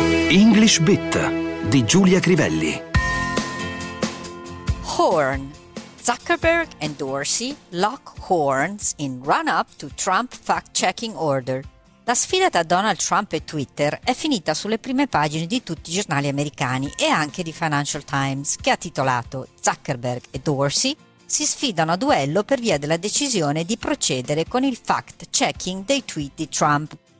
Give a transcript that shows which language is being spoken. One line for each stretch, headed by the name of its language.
Italian: English Bit di Giulia Crivelli.
English: Horn. Zuckerberg and Dorsey lock horns in run-up to Trump fact-checking order.
Italian: La sfida tra Donald Trump e Twitter è finita sulle prime pagine di tutti i giornali americani e anche di Financial Times, che ha titolato Zuckerberg e Dorsey si sfidano a duello per via della decisione di procedere con il fact-checking dei tweet di Trump.